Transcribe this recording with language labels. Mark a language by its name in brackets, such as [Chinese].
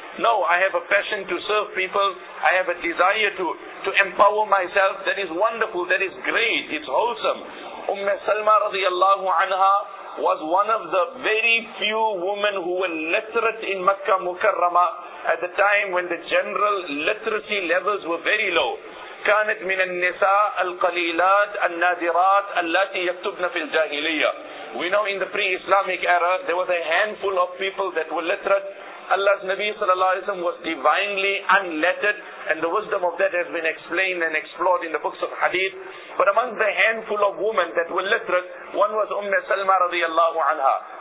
[English] No, I have a passion to serve people. I have a desire to empower myself. That is wonderful. That is great. It's wholesome. Umm Salma radiallahu anha was one of the very few women who were literate in Makkah Mukarrama at the time when the general literacy levels were very low. [Arabic] كانت من النساء القليلات النادرات التي يكتبن في الجاهلية. [English] We know in the pre-Islamic era, there was a handful of people that were literate. Allah's Nabi sallallahu alayhi wa sallam was divinely unlettered, and the wisdom of that has been explained and explored in the books of hadith. But among the handful of women that were literate, one was Umme Salma radiallahu anha.